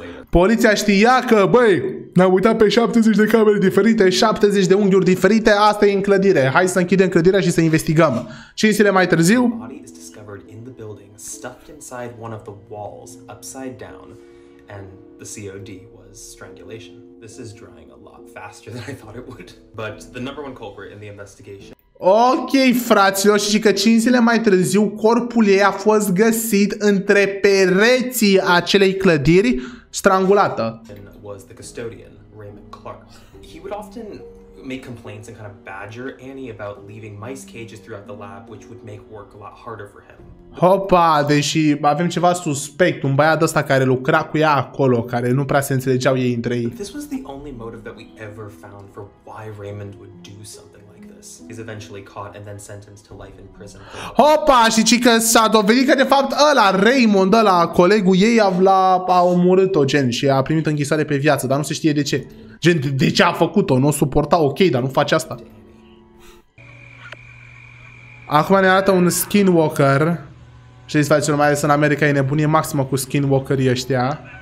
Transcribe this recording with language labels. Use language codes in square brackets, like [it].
[ro] Poliția știa că, băi, ne-am uitat pe 70 de camere diferite, 70 de unghiuri diferite, asta e în clădire. Hai să închidem clădirea și să investigăm. 5 zile mai târziu... [en] stuffed inside one of the walls upside down and the COD was strangulation. This is drying a lot faster than I thought it would, but the number one culprit in the investigation. [ro] Ok, fraților, și că 5 zile mai târziu corpul ei a fost găsit între pereții acelei clădiri strangulată. [en] Was the custodian Raymond Clark. He would often make complaints and kind of badger Annie about leaving mice cages throughout the lab, which would make work a lot harder for him. [ro] Hopa, deși avem ceva suspect, un băiat ăsta care lucra cu ea acolo, care nu prea se înțelegeau ei între ei. [en] This was the only motive that we ever found for why Raymond would do something like this. He's eventually caught and then sentenced to life in prison. [ro] Hopa, și ci că s-a dovedit că de fapt ăla, Raymond, ăla, colegul ei, a omorât-o, gen, și a primit închisoare pe viață, dar nu se știe de ce. Gen, de ce a făcut-o? Nu o suporta, ok, dar nu face asta. Acum ne arată un skinwalker. Știți, fraților, mai ales în America e nebunie maximă cu skinwalkerii ăștia.